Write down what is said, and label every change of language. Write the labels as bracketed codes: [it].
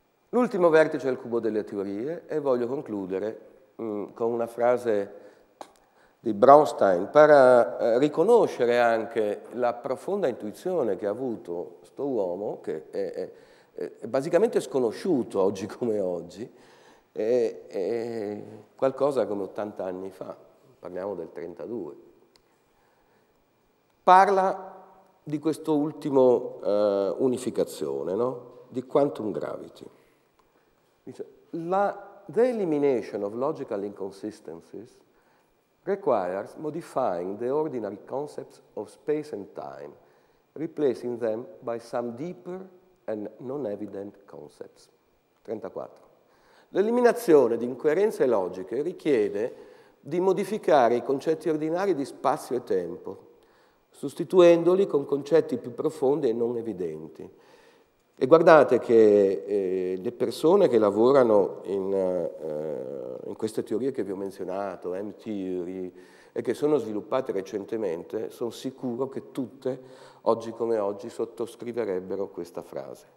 [it] L'ultimo vertice è il cubo delle teorie e voglio concludere con una frase di Bronstein per riconoscere anche la profonda intuizione che ha avuto sto uomo, che è basicamente sconosciuto oggi come oggi, è qualcosa come 80 anni fa, parliamo del 32. Parla di questo ultimo unificazione, no? Di quantum gravity. [en] Dice, the elimination of logical inconsistencies requires modifying the ordinary concepts of space and time, replacing them by some deeper and non-evident concepts. [it] 34. L'eliminazione di incoerenze logiche richiede di modificare i concetti ordinari di spazio e tempo, sostituendoli con concetti più profondi e non evidenti. E guardate che le persone che lavorano in queste teorie che vi ho menzionato, M-theory, e che sono sviluppate recentemente, sono sicuro che tutte, oggi come oggi, sottoscriverebbero questa frase.